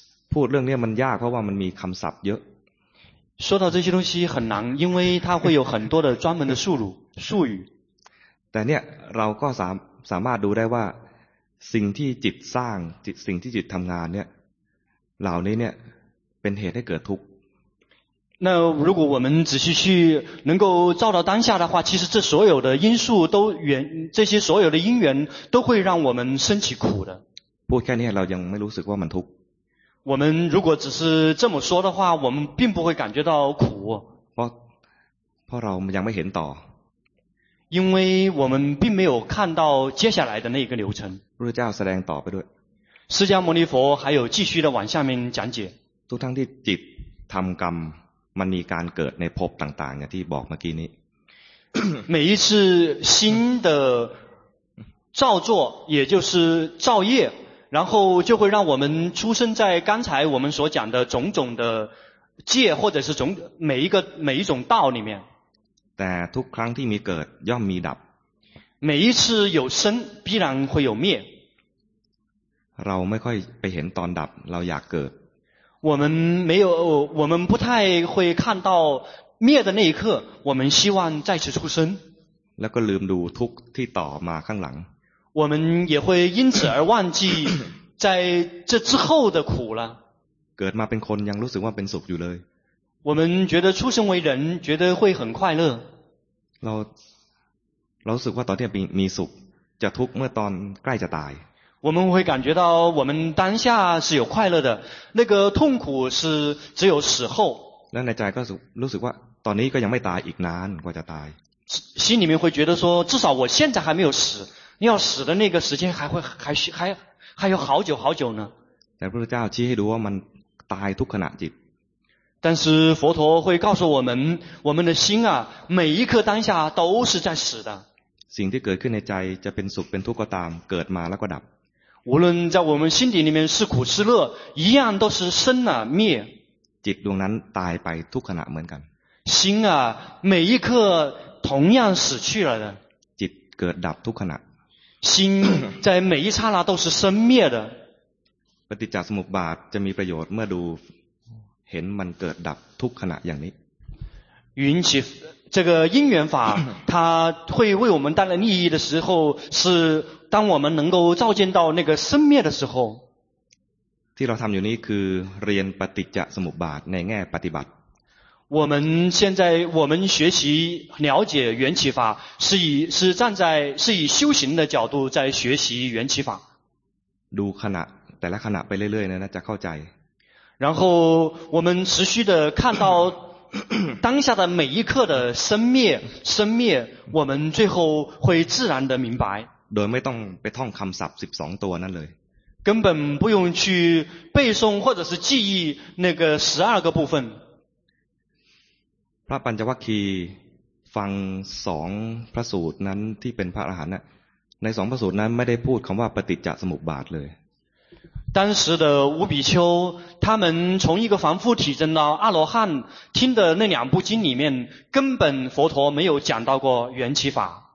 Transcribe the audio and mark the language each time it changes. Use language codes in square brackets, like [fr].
[th] พูดเรื่องนี้มันยากเพราะว่ามันมีคำศัพท์เยอะ。 [zh] 说到这些东西很难，因为它会有很多的专门的术语。术语。 [th] แต่เนี่ยเราก็สามารถดูได้ว่าสิ่งที่จิตสร้างจิตสิ่งที่จิตทำงานเนี่ยเหล่านี้เนี่ยเป็นเหตุให้เกิดทุกข์ [zh] 那如果我们仔细去能够照到当下的话其实这所有的因素都缘这些所有的因缘都会让我们生起苦的 [th] พูดแค่นี้เรายังไม่รู้สึกว่ามันทุกข์ [zh] 我们如果只是这么说的话我们并不会感觉到苦 [th] เพราะเรายังไม่เห็นต่อ [zh] 因为我们并没有看到接下来的那个流程 [th] พระเจ้าแสดงต่อไปด้วย [zh] 释迦牟尼佛还有继续的往下面讲解 [th] ทุกทั้งที่จิตทำกรรมมันมีการเกิดในภพต่างๆอย่างที่บอกเมื่อกี้นี้ [zh] 每一次新的造作也就是造业然后就会让我们出生在刚才我们所讲的种种的戒或者是种每一种道里面 [th] แต่ทุกครั้งที่มีเกิดย่อมมีดับ [zh] 每一次有生必然会有灭 [th] เราไม่ค่อยไปเห็นตอนดับเราอยากเกิด [zh] 我们没有我们不太会看到灭的那一刻我们希望再次出生 [th] แล้วก็ลืมดูทุกที่ต่อมาข้างหลัง [zh] 我们也会因此而忘记在这之后的苦了 [th] เกิดมาเป็นคนยังรู้สึกว่าเป็นสุขอยู่เลย [zh] 我们觉得出生为人觉得会很快乐 [th] เรารู้สึกว่าตอนที่มีสุขจะทุกข์เมื่อตอนใกล้จะตาย [zh] 我们会感觉到我们当下是有快乐的那个痛苦是只有死后 [th] และในใจก็รู้สึกว่าตอนนี้ก็ยังไม่ตายอีกนานกว่าจะตาย [zh] 心里面会觉得说至少我现在还没有死要死的那个时间还有好久好久呢 [th] แต่พระเจ้าชี้ให้ดูว่ามันตายทุกขณะจิต [zh] 但是佛陀会告诉我们我们的心啊每一刻当下都是在死的 [th] สิ่งที่เกิดขึ้นในใจจะเป็นสุขเป็นทุกข์ก็ตามเกิดมาแล้วก็ดับ [zh] 无论在我们心底里面是苦是乐一样都是生啊灭 [th] จิตดวงนั้นตายไปทุกขณะเหมือนกัน [zh] 心啊每一刻同样死去了的 [th] จิตเกิดดับทุกขณะ [zh] 心在每一刹那都是生灭的 [th] ปฏิจจสมุปบาทจะมีประโยชน์เมื่อดูเห็นมันเกิดดับทุกขณะอย่างนี้ [zh] 云起这个因缘法它会为我们带来利益的时候是当我们能够照见到那个生灭的时候 [th] ที่เราทำอยู่นี้คือเรียนปฏิจจสมุปบาทในแง่ปฏิบัติ [zh] 我们现在我们学习了解缘起法是以修行的角度在学习缘起法 [th] ดูขณะแต่ละขณะไปเรื่อยๆนะจะเข้าใจ [zh] 然后我们持续的看到当下的每一刻的生灭我们最后会自然的明白 [th] โดยไม่ต้องไปท่องคำศัพท์12ตัวนั่นเลย [zh] 根本不用去背诵或者是记忆那个12个部分 [th] พระปัญจวัคคีย์ฟัง2พระสูตรนั้นที่เป็นพระอรหันต์น่ะใน2พระสูตรนั้นไม่ได้พูดคำว่าปฏิจจสมุปบาทเลย [zh] 当时的五比丘他们从一个凡夫体证到阿罗汉听的那两部经里面根本佛陀没有讲到过缘起法